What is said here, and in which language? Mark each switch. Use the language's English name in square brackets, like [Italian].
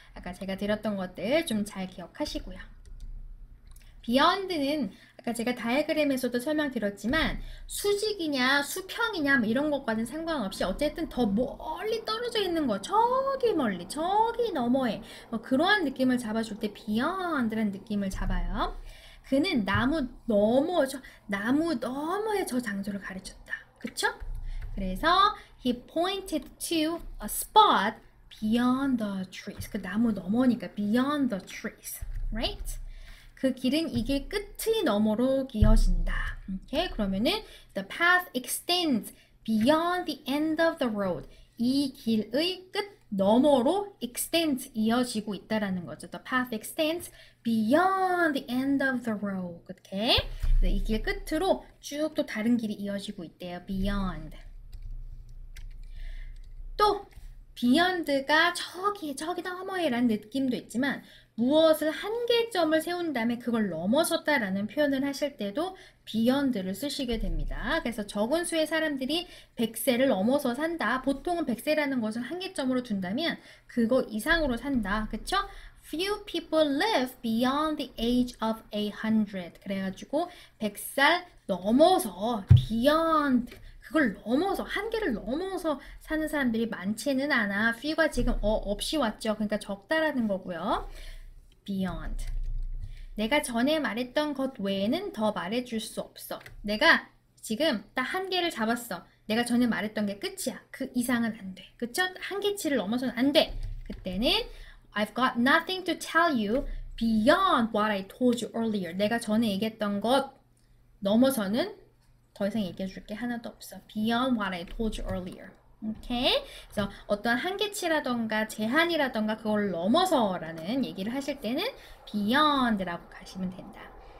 [Korean] 아까 제가 드렸던 것들 좀잘 기억하시고요. beyond는 아까 제가 다이어그램에서도 설명드렸지만 수직이냐 수평이냐 뭐 이런 것과는 상관없이 어쨌든 더 멀리 떨어져 있는 거 저기 멀리 저기 너머에 뭐 그러한 느낌을 잡아줄 때 beyond라는 느낌을 잡아요. 그는 나무 너머에 저 장소를 가르쳤다. 그쵸? 그래서 [English] he pointed to a spot beyond the trees. [Korean] 그 나무 너머니까 [English] beyond the trees, right? [Korean] 그 길은 이게 끝의 너머로 이어진다. 오케이? 그러면은 [English] the path extends beyond the end of the road. [Korean] 이 길의 끝 너머로 extends 이어지고 있다라는 거죠. [English] The path extends beyond the end of the road. [Korean] 오케이? 이길 끝으로 쭉또 다른 길이 이어지고 있대요. [English] Beyond. [Korean] 또 beyond가 저기 저기 너머에라는 느낌도 있지만 무엇을 한계점을 세운 다음에 그걸 넘어섰다라는 표현을 하실 때도 beyond를 쓰시게 됩니다. 그래서 적은 수의 사람들이 100세를 넘어서 산다. 보통은 100세라는 것을 한계점으로 둔다면 그거 이상으로 산다. 그쵸? [English] Few people live beyond the age of 100. [Korean] 그래가지고 100살 넘어서 beyond 그걸 넘어서 한계를 넘어서 사는 사람들이 많지는 않아. Few가 지금 없이 왔죠. 그러니까 적다라는 거고요. [English] Beyond. [Korean] 내가 전에 말했던 것 외에는 더 말해줄 수 없어. 내가 지금 딱 한계를 잡았어. 내가 전에 말했던 게 끝이야. 그 이상은 안 돼. 그쵸? 한계치를 넘어서는 안 돼. 그때는 [English] I've got nothing to tell you beyond what I told you earlier. [Korean] 내가 전에 얘기했던 것 넘어서는 더 이상 얘기해 줄게 하나도 없어. [English] Beyond what I told you earlier. [Korean] 오케이? [English] Okay? [Korean] 그래서 어떤 한계치라던가 제한이라던가 그걸 넘어서라는 얘기를 하실 때는 beyond라고 가시면 된다.